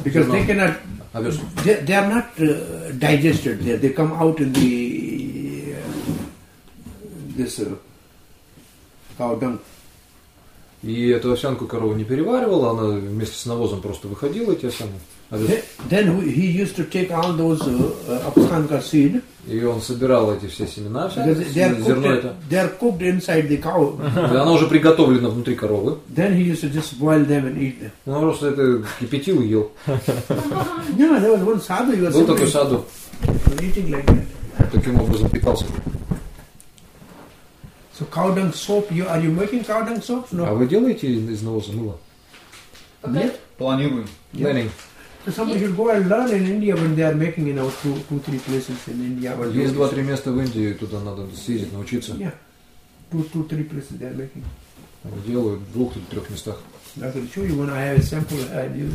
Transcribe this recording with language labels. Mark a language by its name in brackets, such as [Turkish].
[English] Because they cannot, they are not digested there. They come out in the cow dung. [Russian] И эту овсянку корова не переваривала, она вместе с навозом просто выходила эти овсянки. [English] Then he used to take all those afsanka seed. [Russian] И он собирал эти все семена овсянки, зерно это. [English] They are cooked inside the cow. [Russian] И она уже приготовлена внутри коровы. [English] Then he used to just boil them and eat them. [Russian] Он просто это кипятил и ел. [English] No, there was one sadhu. He was [Russian] был такой sadhu. [English] Eating like that. [Russian] Таким образом питался. [English] So cow dung soap, are you making cow dung soap? No. [Russian] А вы делаете из навоза мыло? Okay. Нет. Планируем. [English] Planning. Somebody should go and learn in India when they are making, you know, two, three places in India. [Russian] Есть 2-3 места в Индии, туда надо съездить, научиться. [English] Yeah, two, three places they are making. [Russian] Делаю в 2-3 местах. [English] I can show you when I have a sample.